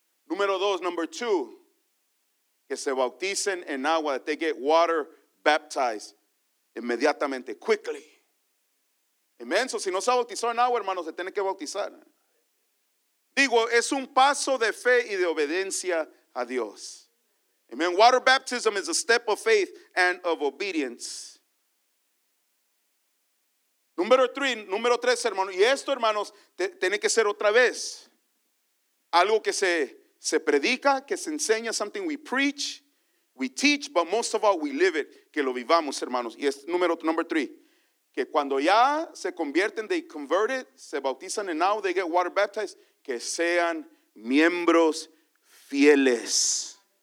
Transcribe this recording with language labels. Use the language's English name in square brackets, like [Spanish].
[Spanish] Número dos, [English] number two, [Spanish] que se bauticen en agua, [English] that they get water baptized [Spanish] inmediatamente, [English] quickly. [Spanish] Amen. So, si no se bautizó en agua, hermano, se tiene que bautizar. Digo, es un paso de fe y de obediencia a Dios. Amen. [English] Water baptism is a step of faith and of obedience. [Spanish] Número tres, hermano. Y esto, hermanos, tiene que ser otra vez. Algo que se predica, que se enseña, [English] something we preach, we teach, but most of all, we live it. [Spanish] Que lo vivamos, hermanos. Y es [English] number three. [Spanish] Que cuando ya se convierten, [English] they converted, [Spanish] se bautizan, [English] and now they get water baptized, [Spanish] que sean miembros fieles.